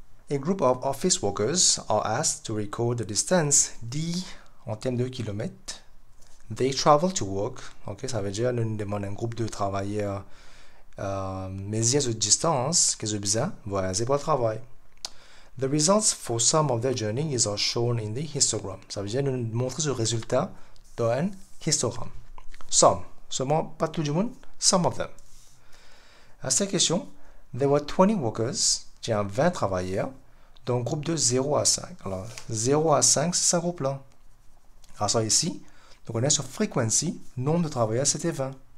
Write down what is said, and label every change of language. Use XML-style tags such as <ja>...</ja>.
<en>A group of office workers are asked to record the distance D</en> <fr>en termes de kilomètres</fr> <en>they travel to work.</en> <fr>Ok, ça veut dire, nous demandons à un groupe de travailleurs, mesurer cette distance qu'ils ont besoin de voyager pour le travail.</fr> <en>The results for some of their journey is are shown in the histogram.</en> <fr>Ça veut dire nous montrer ce résultat dans un histogramme.</fr> <en>Some,</en> <fr>seulement pas tout le monde,</fr> <en>some of them.</en> <fr>À cette question,</fr> <en>there were 20 workers,</en> <fr>j'ai 20 travailleurs, dans un groupe de 0 à 5. Alors, 0 à 5, c'est ce groupe-là. Alors, ça ici, donc on est sur frequency, nombre de travailleurs, c'était 20.</fr>